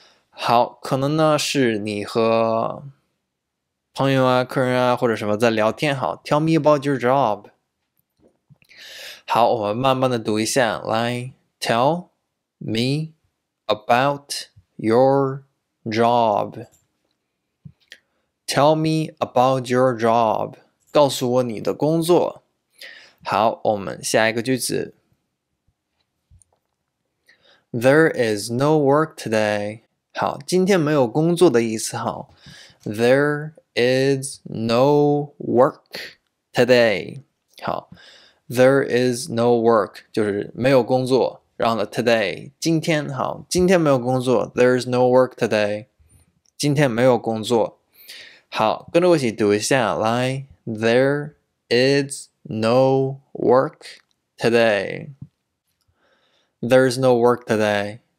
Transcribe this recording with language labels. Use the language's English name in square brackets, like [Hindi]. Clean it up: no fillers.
[Chinese] 好，可能呢是你和朋友啊，客人啊，或者什么在聊天，好 ， [English] Tell me about your job。 [Chinese] 好，我们慢慢的读一下，来 ， [English] Tell me about your job。 Tell me about your job， [Chinese] 告诉我你的工作。好，我们下一个句子。 [English] There is no work today。 [Chinese] 好，今天没有工作的意思，好 ，There。 [English] Is no work today. [Chinese] 好 ， [English] there is no work [Chinese] 就是没有工作。然后呢 ，today 今天好，今天没有工作。 [English] There is no work today. [Chinese] 今天没有工作。好，跟着我一起读一下来。 [English] There is no work today. There is no work today.